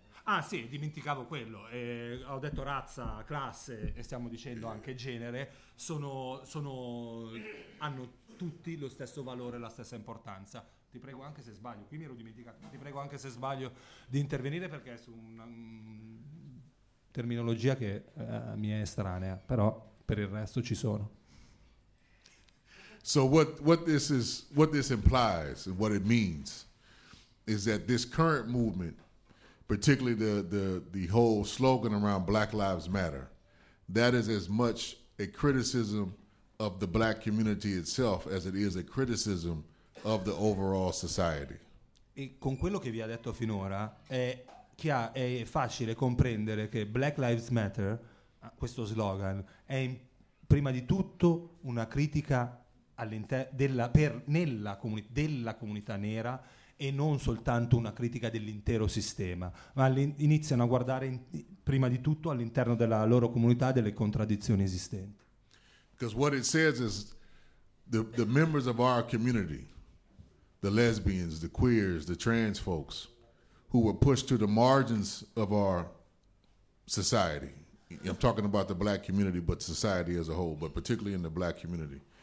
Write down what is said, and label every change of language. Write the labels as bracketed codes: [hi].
[it] Ah sì, dimenticavo quello, ho detto razza, classe e stiamo dicendo anche genere, hanno tutti lo stesso valore, la stessa importanza. Ti prego anche se sbaglio, qui mi ero dimenticato, ti prego anche se sbaglio di intervenire perché è su una terminologia che mi è estranea, però per il resto ci sono. [en] So what this implies and what it means is that this current movement, particularly the whole slogan around Black Lives Matter, that is as much a criticism of the black community itself as it is a criticism of the overall society. [it] E con quello che vi ha detto finora è facile comprendere che Black Lives Matter, questo slogan, è prima di tutto una critica della comunità nera e non soltanto una critica dell'intero sistema, ma iniziano a guardare prima di tutto all'interno della loro comunità delle contraddizioni esistenti. [en] Because what it says is the members of our community, the lesbians, the queers, the trans folks, who were pushed to the margins of our society. I'm talking about the black community, but society as a whole, but particularly in the black community.